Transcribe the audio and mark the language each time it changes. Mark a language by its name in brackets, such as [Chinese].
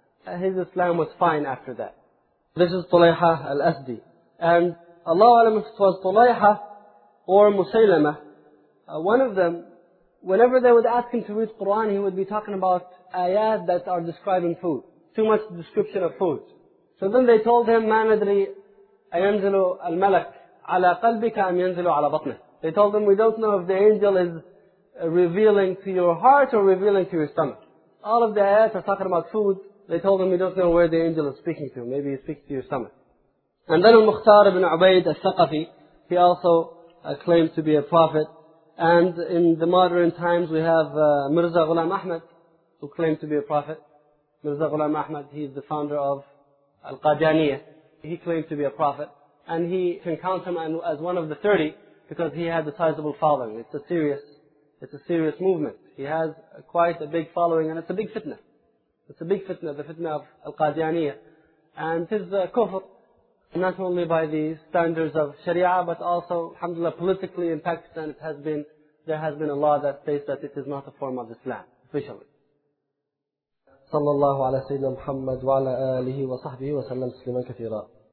[English] His Islam was fine after that. This is Tulayha Al-Azdi. And Allahu A'lam if it was Tulayha or Musaylama, one of them, whenever they would ask him to read Quran, he would be talking about ayat that are describing food. Too much description of food. So then they told him, [Arabic] مَا نَدْرِي أَيَنْزِلُ الْمَلَكُ عَلَى قَلْبِكَ أَمْ يَنْزِلُ عَلَى بَطْنِهِ. [English] They told him, we don't know if the angel is revealing to your heart or revealing to your stomach. All of the ayat are talking about food. They told him, we don't know where the angel is speaking to. Maybe he speaks to your stomach. And then Al-Mukhtar ibn Ubayd al-Thaqafi, he also claimed to be a prophet. And in the modern times, we have Mirza Ghulam Ahmad, who claimed to be a prophet. Mirza Ghulam Ahmad, he is the founder of Al-Qadianiyah. He claimed to be a prophet. And he can count him as one of the 30, because he had a sizable following. It's a serious movement. He has quite a big following, and it's a big fitna. It's a big fitna, the fitna of Al-Qadianiyah. And his kufr, not only by the standards of Sharia, but also, alhamdulillah, politically in Pakistan, there has been a law that states that it is not a form of Islam, officially. [Arabic] صلى الله على سيدنا محمد وعلى آله وصحبه وسلم تسليما كثيرا.